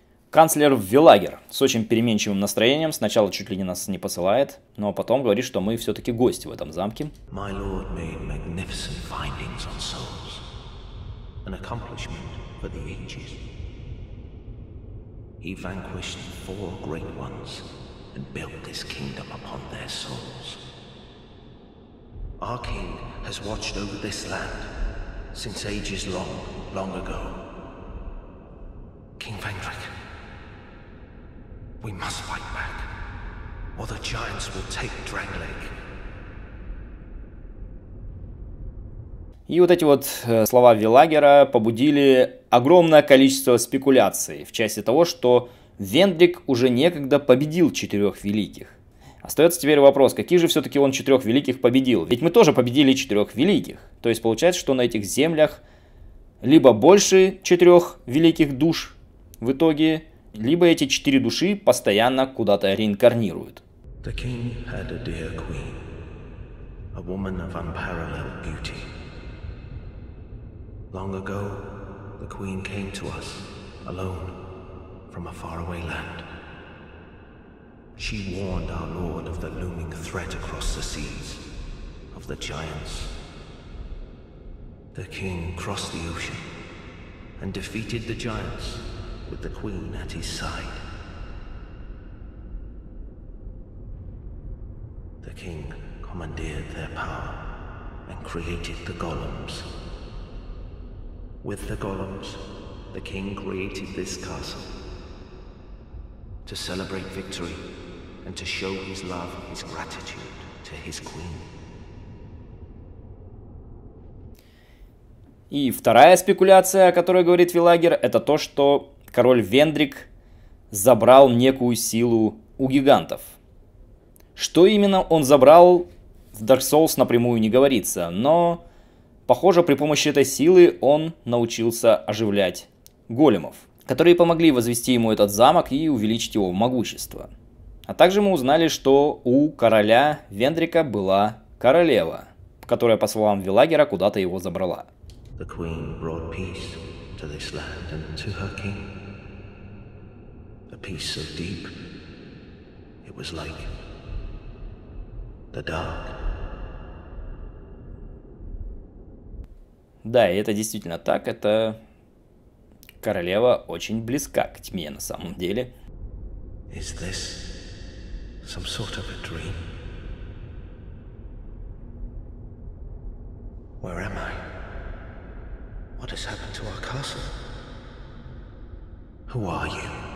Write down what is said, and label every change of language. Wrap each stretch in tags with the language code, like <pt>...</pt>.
<ru>Канцлер Велагер с очень переменчивым настроением сначала чуть ли не нас не посылает, но потом говорит, что мы все-таки гости в этом замке.</ru> <en>My lord made magnificent findings on souls. An accomplishment for the ages. He vanquished four great ones and built this kingdom upon their souls. Our king has watched over this land since ages long, long ago. King Vendrick, we must fight back, or the giants will take Dranglake.</en> <ru>И вот эти вот слова Велагера побудили огромное количество спекуляций в части того, что Вендрик уже некогда победил четырех великих. Остается теперь вопрос, какие же все-таки он четырех великих победил? Ведь мы тоже победили четырех великих. То есть получается, что на этих землях либо больше четырех великих душ в итоге, либо эти четыре души постоянно куда-то реинкарнируют.</ru> <en>The king had a dear queen, a woman of unparalleled beauty. Long ago, the queen came to us, alone, from a faraway land. She warned our lord of the looming threat across the seas, of the giants. The king crossed the ocean, and defeated the giants, with the queen at his side. The king commandeered their power, and created the golems. With the golems, the king created this castle. To celebrate victory and to show his love and his gratitude to his queen.</en> <ru>И вторая спекуляция, о которой говорит Велагер, это то, что король Вендрик забрал некую силу у гигантов. Что именно он забрал, в Dark Souls напрямую не говорится, но... Похоже, при помощи этой силы он научился оживлять големов, которые помогли возвести ему этот замок и увеличить его могущество. А также мы узнали, что у короля Вендрика была королева, которая, по словам Велагера, куда-то его забрала.</ru> <en>The queen brought peace to this land and to her king. A peace so deep, it was like the dark.</en> <ru>Да, и это действительно так, это королева очень близка к тьме на самом деле.</ru> <en>Is this some sort of a dream? Where am I? What has happened to our castle? Who are you?</en>